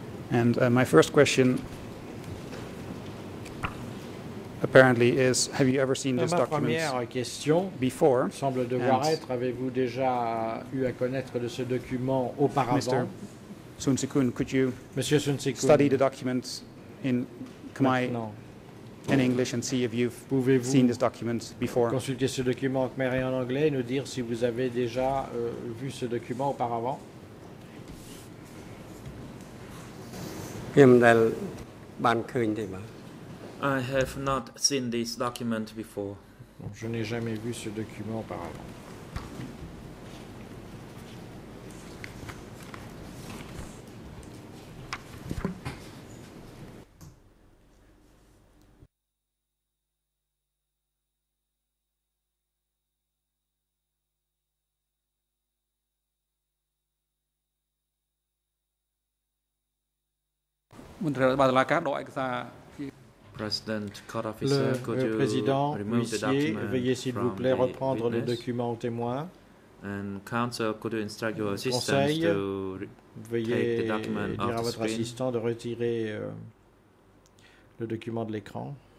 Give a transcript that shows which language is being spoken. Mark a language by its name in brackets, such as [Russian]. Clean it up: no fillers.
[English] And my first question apparently is, have you ever seen this document before? [French] Ma première question semble devoir être, avez-vous déjà eu à connaître de ce document auparavant? [English] Mr. Sun Tse-kun, could you [French] Monsieur Sun Tse-kun, [English] study the documents in Khmer and English and see if you've seen this document before? [French] Consulter ce document en Khmer et en anglais et nous dire si vous avez déjà vu ce document auparavant? [English] I have not seen this document before. [French] Je n'ai jamais vu ce document auparavant. [English] President, court officer, le could you [French] président, huissier, veuillez s'il vous plaît reprendre le document au témoin. [English] And counsel, could you instruct your assistant to take the document off the screen? [French] Votre assistant de retirer le document de l'écran.